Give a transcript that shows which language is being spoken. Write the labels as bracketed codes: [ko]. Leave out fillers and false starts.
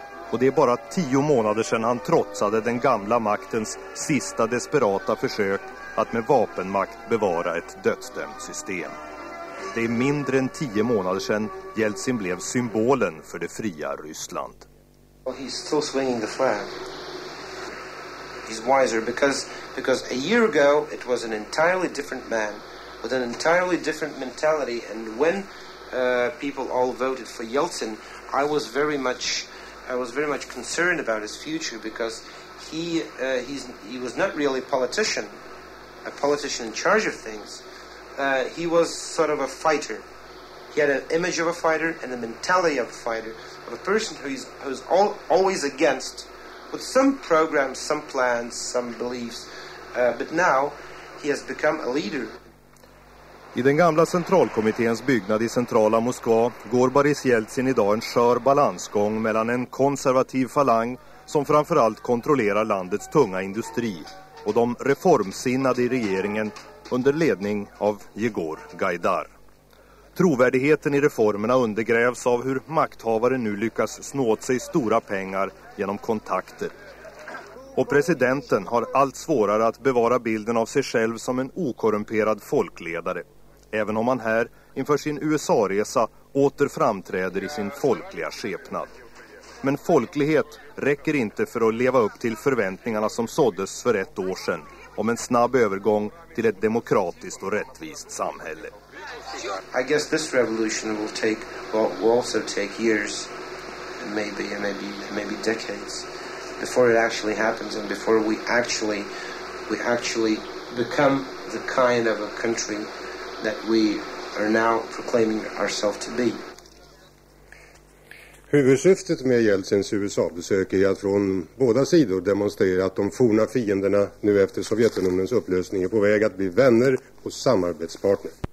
[sv] Och det är bara 10 månader sedan han trotsade den gamla maktens sista desperata försök att med vapenmakt bevara ett dödsdömt system. Det är mindre än 10 månader sedan Jeltsin blev symbolen för det fria Ryssland. [en] He's still swinging the flag. He's wiser because a year ago it was an entirely different man with an entirely different mentality. And when people all voted for Jeltsin, I was very much concerned about his future because he was not really a politician in charge of things. He was sort of a fighter. get an image of a fighter and the mentality of a fighter, of a person who's always against, with some programs, some plans, some beliefs, but now he has become a leader. [sv] I den gamla centralkommitténs byggnad i centrala Moskva går Boris Jeltsin idag en skör balansgång mellan en konservativ falang som framförallt kontrollerar landets tunga industri och de reformsinnade i regeringen under ledning av Yegor Gaidar. Trovärdigheten i reformerna undergrävs av hur makthavare nu lyckas snå åt sig stora pengar genom kontakter. Och presidenten har allt svårare att bevara bilden av sig själv som en okorrumperad folkledare. Även om han här, inför sin USA-resa, åter framträder i sin folkliga skepnad. Men folklighet räcker inte för att leva upp till förväntningarna som såddes för ett år sedan om en snabb övergång till ett demokratiskt och rättvist samhälle. [en] I guess this revolution will also take years, maybe decades before it actually happens and before we actually become the kind of a country that we are now proclaiming ourselves to be. [sv] Huvudsyftet med Jeltsins USA-besök är att från båda sidor demonstrera att de forna fienderna nu efter Sovjetunionens upplösning är på väg att bli vänner och samarbetspartner.